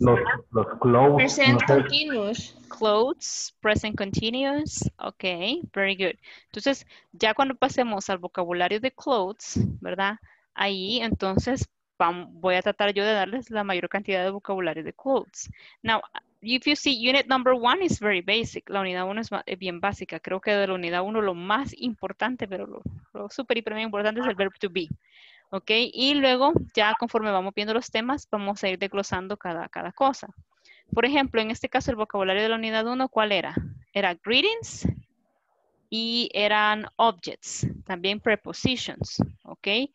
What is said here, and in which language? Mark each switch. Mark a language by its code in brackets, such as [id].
[en] Los clothes. Present continuous. Clothes, present continuous. Ok, very good. [es] Entonces, ya cuando pasemos al vocabulario de clothes, ¿verdad? Ahí, entonces, voy a tratar yo de darles la mayor cantidad de vocabulario de quotes. [en] Now, if you see, unit number one is very basic. [es] La unidad uno es bien básica. Creo que de la unidad uno lo más importante, pero lo súper y primero importante es el verb to be. ¿Ok? Y luego, ya conforme vamos viendo los temas, vamos a ir desglosando cada cosa. Por ejemplo, en este caso, el vocabulario de la unidad uno, ¿cuál era? Era greetings y eran objects, también prepositions. ¿Ok?